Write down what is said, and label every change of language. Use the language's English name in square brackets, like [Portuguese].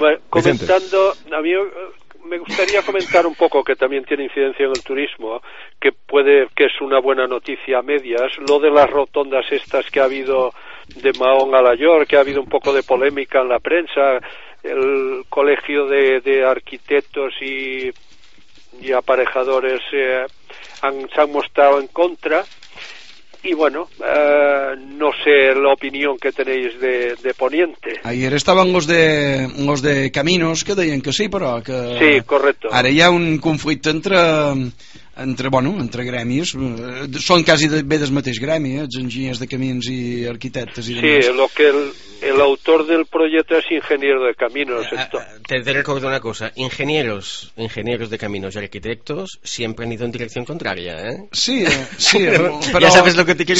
[Spanish] Comentando, a mí me gustaría comentar un poco, que también tiene incidencia en el turismo, que puede, que es una buena noticia a medias, lo de las rotondas estas que ha habido de Mahón a Layor, que ha habido un poco de polémica en la prensa, el colegio de arquitectos y aparejadores se han mostrado en contra, y bueno, no sé la opinión que tenéis de Poniente. Ayer estaban los de Caminos, que decían que sí, pero que sí, correcto. Ahora ya un conflicto entre [Catalan] gremis, són quasi bé del mateix gremi, els enginyers de camins i arquitectes i demés. [Spanish] Sí, lo que el autor del proyecto es ingeniero de caminos. Te recordo una cosa, ingenieros de caminos y arquitectos siempre han ido en dirección contraria, ¿eh? [Catalan] Sí, sí, però... [Spanish] Ja sabes lo que te quiero